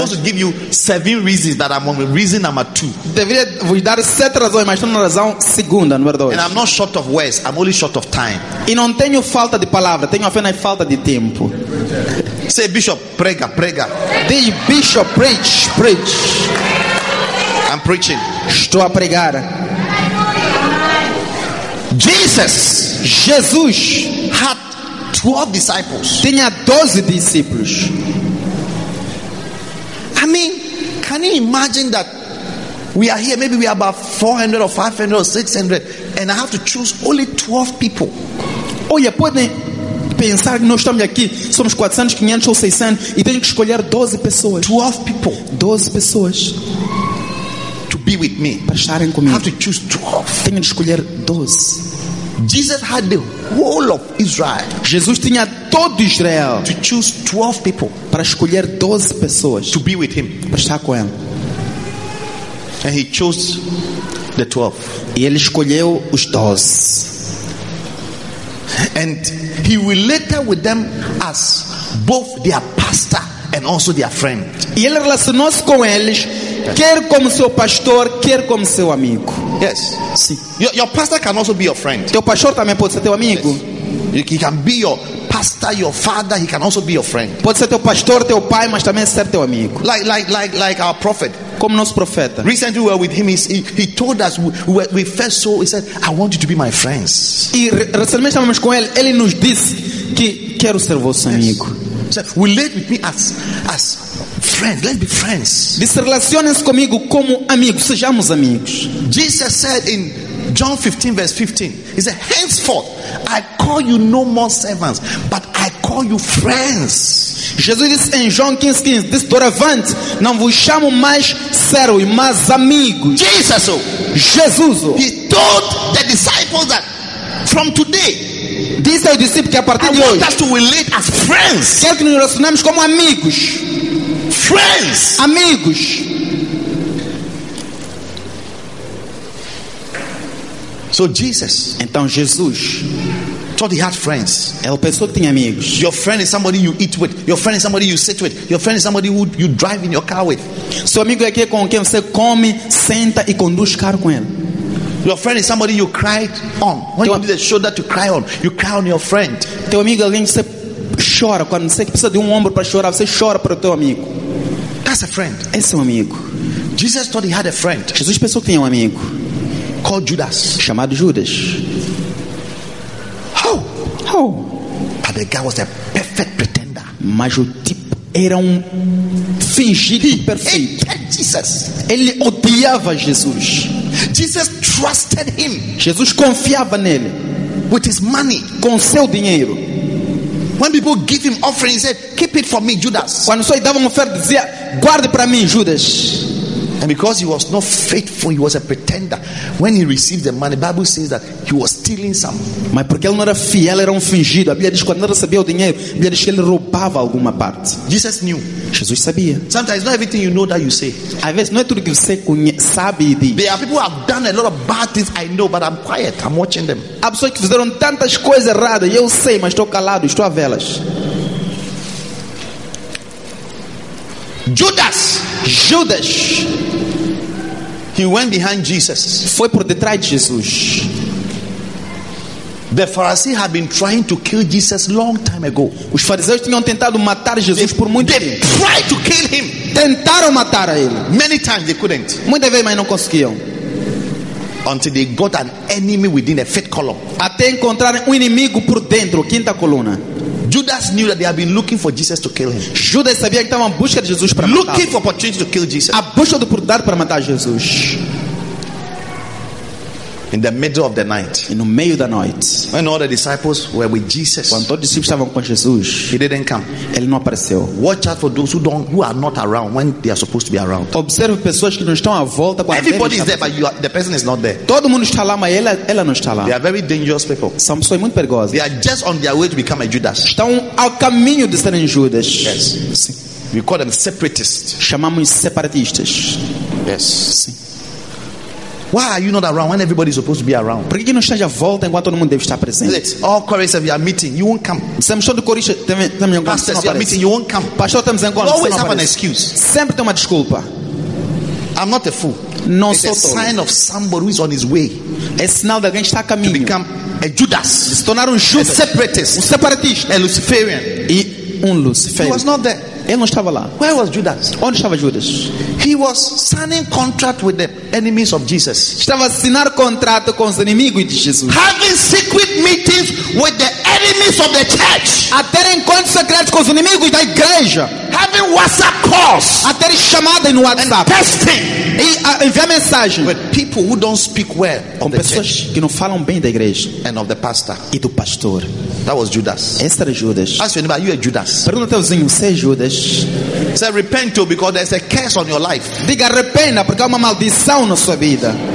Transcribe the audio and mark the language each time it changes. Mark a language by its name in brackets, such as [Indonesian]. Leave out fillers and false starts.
[English] I'm supposed to give you 7 reasons that I'm on. Reason number 2. [Portuguese] Deveria vos dar 7 razões, mas estou na razão segunda, número 2. [English] And I'm not short of words. I'm only short of time. [Portuguese] E não tenho falta de palavra. Tenho apenas falta de tempo. [English] Say, Bishop, [Portuguese] prega, prega. [English] The Bishop, preach, preach. I'm preaching. [Portuguese] Estou a pregar. [English] Jesus, had 12 disciples. [Portuguese] Tinha 12 discípulos. [English] I mean, can you imagine that we are here, maybe we are about 400 or 500 or 600, and I have to choose only 12 people? [Portuguese] Olha, pode pensar que nós estamos aqui, somos 400, 500 ou 600, e tenho que escolher 12 pessoas. [English] 12 people. [Portuguese] 12 pessoas. [English] To be with me. [Portuguese] Para estarem comigo. [English] I have to choose 12. [Portuguese] Tenho que escolher 12. [English] Jesus had the whole of Israel. [Portuguese] Jesus tinha todo Israel. [English] To choose 12 people. [Portuguese] Para escolher 12 pessoas. [English] To be with him. [Portuguese] Para estar com ele. [English] And he chose the 12. [Portuguese] E ele escolheu os 12. [English] And he related with them as both their pastor and also their friend. [Portuguese] E ele relacionou-se com eles, quer como seu pastor, quer como seu amigo. [English] Yes. [Portuguese] Sim. [English] Your pastor can also be your friend. [Portuguese] Teu pastor também pode ser teu amigo. [English] Yes. He can be your pastor, your father. He can also be your friend. [Portuguese] Pode ser teu pastor, teu pai, mas também ser teu amigo. [English] Like our prophet. [Portuguese] como nosso profeta. [English] Recently we were with him, he told us we first saw, he said, I want you to be my friends. [Portuguese] E recentemente estávamos com ele, ele nos disse que quero ser vosso amigo. [English] So, relate with me as friends. Let's be friends. [Portuguese] Disse, relacionem-se comigo como amigos, sejamos amigos. [English] Jesus said in John 15 verse 15, he said, henceforth I call you no more servants, but I call you friends. [Portuguese] Jesus disse em João 15:15, disse, doravante, não vos chamo mais servos, mas amigos. [English] Jesus, he told the disciples that from today, [Portuguese] disse ao discípulo que a partir de hoje, [English] I want us to relate as friends. [Portuguese] Quero que nos relacionemos como amigos. [English] Friends. [Portuguese] Amigos. [English] So Jesus, [Portuguese] então Jesus, [English] thought he had friends. [Portuguese] Ele pensou que tinha amigos. [English] Your friend is somebody you eat with. Your friend is somebody you sit with. Your friend is somebody who you drive in your car with. [Portuguese] Seu amigo é aquele com quem você come, senta e conduz carro com ele. [English] Your friend is somebody you cry on. When you need a shoulder to cry on, you cry on your friend. [Portuguese] Teu amigo é alguém que você chora quando você precisa de ombro para chorar. Você chora para o teu amigo. [English] That's a friend. [Portuguese] Esse é um amigo. [English] Jesus thought he had a friend. [Portuguese] Jesus pensou que tinha um amigo. [English] Called Judas. [Portuguese] Chamado Judas. Oh. Oh. [English] But the guy was a perfect pretender. [Portuguese] Mas o tipo era um fingido perfeito. [English] He hated Jesus. [Portuguese] Ele odiava Jesus. [English] Jesus trusted him. [Portuguese] Jesus confiava nele. [English] With his money. [Portuguese] Com seu dinheiro. [English] When people give him offering, he said, keep it for me, Judas. [Portuguese] Quando só lhe davam oferta, dizia, guarde para mim, Judas. [English] And because he was not faithful, he was a pretender. When he received the money, the Bible says that he was stealing some. [Portuguese] Mas porque ele não era fiel, era fingido. A Bíblia diz que quando ele recebia o dinheiro, a Bíblia diz que ele roubava alguma parte. [English] Jesus knew. [Portuguese] Jesus sabia. [English] Sometimes not everything you know that you say. [Portuguese] Às vezes não é tudo que você conhece, sabe e diz. [English] There are people who have done a lot of bad things, I know, but I'm quiet. I'm watching them. [Portuguese] Há pessoas que fizeram tantas coisas erradas, eu sei, mas estou calado, estou a vê-las. [English] Judas. [Portuguese] Judas. [English] He went behind Jesus. [Portuguese] Foi por detrás de Jesus. [English] The Pharisees had been trying to kill Jesus long time ago. [Portuguese] Os fariseus tinham tentado matar Jesus por muito tempo. [English] They tried to kill him. [Portuguese] Tentaram matar ele. [English] Many times they couldn't. [Portuguese] Muitas vezes, mas não conseguiam. [English] Until they got an enemy within a fifth column. [Portuguese] Até encontraram inimigo por dentro, quinta coluna. [English] Judas knew that they had been looking for Jesus to kill him. [Portuguese] Judas sabia que estavam à busca de Jesus para matar. [English] Looking for opportunity to kill Jesus. [Portuguese] À busca de oportunidade para matar Jesus. [English] In the middle of the night. [Portuguese] No meio da noite. [English] When all the disciples were with Jesus. [Portuguese] Quando todos os discípulos estavam com Jesus. [English] He didn't come. [Portuguese] Ele não apareceu. [English] Watch out for those who are not around when they are supposed to be around. [Portuguese] Observe pessoas que não estão à volta quando everybody is there, but the person is not there. Todo mundo está lá, mas ela não está lá. [English] They are very dangerous people. [Portuguese] São pessoas muito perigosas. [English] They are just on their way to become a Judas. [Portuguese] Estão ao caminho de serem Judas. [English] Yes. [Portuguese] Sim. [English] We call them separatists. [Portuguese] Chamamos separatistas. [English] Yes. [Portuguese] Sim. [English] Why are you not around when everybody is supposed to be around? [Portuguese] Por que não esteja volta enquanto todo mundo deve estar presente? [English] All Corinthians, we are meeting. You won't come. [Portuguese] Estamos todos Corinthians, temos um pastor. [English] We are meeting. You won't come. [Portuguese] Pastor, temos um encontro. [English] Always have an excuse. [Portuguese] Sempre tem uma desculpa. [English] I'm not a fool. [Portuguese] Não sou [English] It's a sign of somebody who is on his way. [Portuguese] É sinal de alguém que está a caminho. [English] To become a Judas. [Portuguese] Se tornar Judas. [English] A separatist. [Portuguese] Separatista. [English] A Luciferian. [Portuguese] E Luciferian. [English] He was not there. [Portuguese] Ele não estava lá. [English] Where was Judas? [Portuguese] Onde estava Judas? [English] He was signing contract with the enemies of Jesus. [Portuguese] Estava assinar contrato com os inimigos de Jesus. [English] Having secret meetings with the enemies of the church. [Portuguese] A ter encontros secretos com os inimigos da igreja. [English] Having WhatsApp calls. [Portuguese] A ter chamada no WhatsApp. [English] And texting. [Portuguese] E enviar mensagem. [English] With people who don't speak well [Portuguese] com [English] of [Portuguese] pessoas [English] the church. [Portuguese] Que não falam bem da igreja. [English] And of the pastor. [Portuguese] E do pastor. [English] That was Judas. [Portuguese] Esse era Judas. [English] Ask your neighbor, you are Judas. [Portuguese] Pergunta ao vizinho, você é Judas? [English] Say, repent too, because there's a curse on your life. [Portuguese] Diga, arrependa, porque há uma maldição na sua vida.